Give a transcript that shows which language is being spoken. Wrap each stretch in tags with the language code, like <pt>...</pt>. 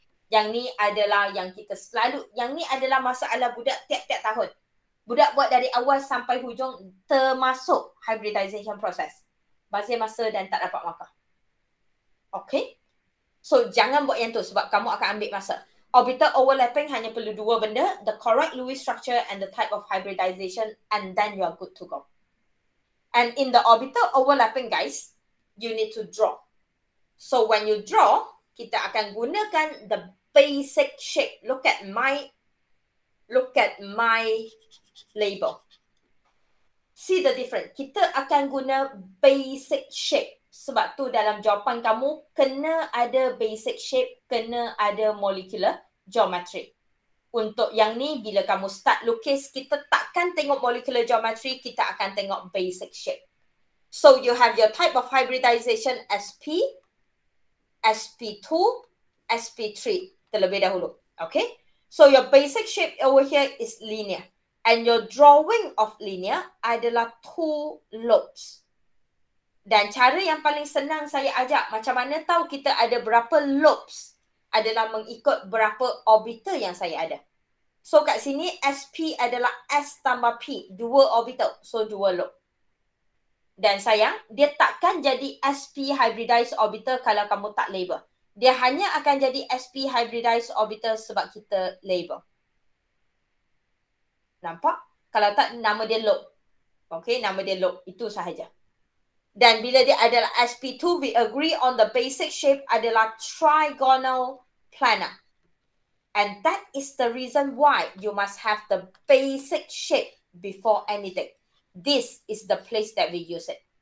<ms>Yang ni adalah yang kita selalu, yang ni adalah masalah budak tiap-tiap tahun. Budak buat dari awal sampai hujung termasuk hybridization process. Bazir masa dan tak dapat markah. Okay? So, jangan buat yang tu sebab kamu akan ambil masa.</ms> <en>Orbital overlapping</en> <ms>hanya perlu dua benda,</ms> <en>the correct Lewis structure and the type of hybridization and then you're good to go. And in the orbital overlapping, guys, you need to draw. So, when you draw,</en> <ms>kita akan gunakan</ms> <en>the basic shape. Look at my label. See the difference.</en> <ms>Kita akan guna basic shape. Sebab tu dalam jawapan kamu kena ada basic shape, kena ada molecular geometry. Untuk yang ni, bila kamu start lukis, kita takkan tengok molecular geometry, kita akan tengok basic shape.</ms> <en>So you have your type of hybridization SP, SP2, SP3</en> <ms>terlebih dahulu.</ms> <en>Okay? So your basic shape over here is linear. And your drawing of linear adalah two lobes.</en> <ms>Dan cara yang paling senang saya ajak, macam mana tahu kita ada berapa lobes adalah mengikut berapa orbital yang saya ada. So kat sini SP adalah S tambah P, dua orbital, so dua lobe. Dan sayang, dia takkan jadi SP hybridized orbital kalau kamu tak label. Dia hanya akan jadi SP hybridized orbital sebab kita label. Nampak? Kalau tak, nama dia lobe. Okay, nama dia lobe. Itu sahaja. Dan bila dia adalah SP2,</ms> <en>we agree on the basic shape</en> <ms>adalah trigonal planar.</ms> <en>And that is the reason why you must have the basic shape before anything. This is the place that we use it.</en>